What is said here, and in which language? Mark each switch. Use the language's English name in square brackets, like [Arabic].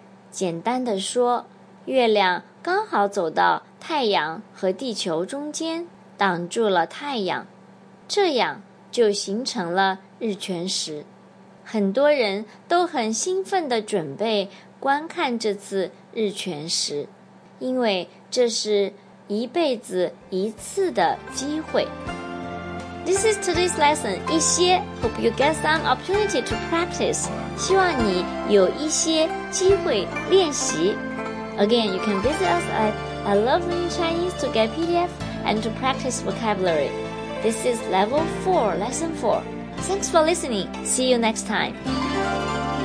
[Chinese] 简单的说，月亮刚好走到太阳和地球中间，挡住了太阳，这样就形成了日全食。很多人都很兴奋地准备观看这次日全食，因为这是一辈子一次的机会。 [English] This is today's lesson, [Chinese] 一些 [English] Hope you get some opportunity to practice. [Chinese] 希望你有一些机会练习。 [English] Again, you can visit us at I Love Learning Chinese to get PDF and to practice vocabulary. This is Level 4, Lesson 4. Thanks for listening. See you next time.